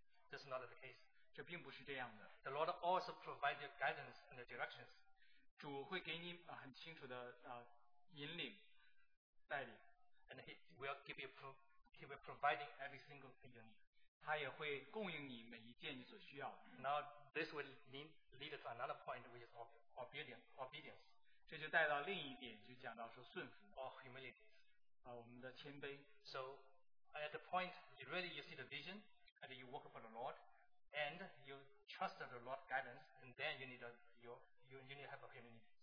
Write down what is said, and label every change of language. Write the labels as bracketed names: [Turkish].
[English] This is not the case. [Chinese] 这并不是这样的。 [English] The Lord also provides you guidance and directions. [Chinese] 主会给你很清楚的引领带领。 [English] And He will give you He will provide every single thing you need. [Chinese] 他也会供应你每一件你所需要。 [English] Now this will lead to another point which is obedience. [Chinese] 这就带到另一点，就讲到说顺服。 [English] Or humility. [Chinese] 我们的谦卑。 [English] So at the point you really you see the vision and you work for the Lord and you trust the Lord's guidance and then you need you need to have a humility.